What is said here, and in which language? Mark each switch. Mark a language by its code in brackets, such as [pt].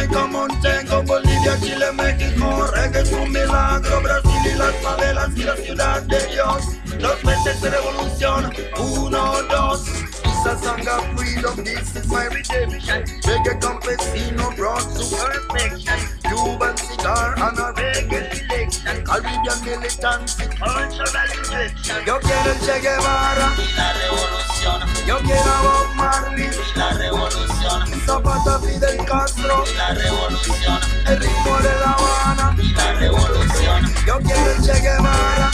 [es] Montego, Bolivia, Chile, México, reggae es un milagro, Brasil y las favelas y la ciudad de Dios, los meses de revolución, uno, dos. [en] Sasanga freedom, this is my redemption. Reggae campesino brought to perfection. Cuban cigar and a reggae selection. Caribbean militancy, cultural injection. [es] Yo quiero el Che Guevara y la revolución. Yo quiero a Bob Marley y la revolución. Zapata, Fidel Castro y la revolución. El ritmo de La Habana y la revolución. Yo quiero el Che Guevara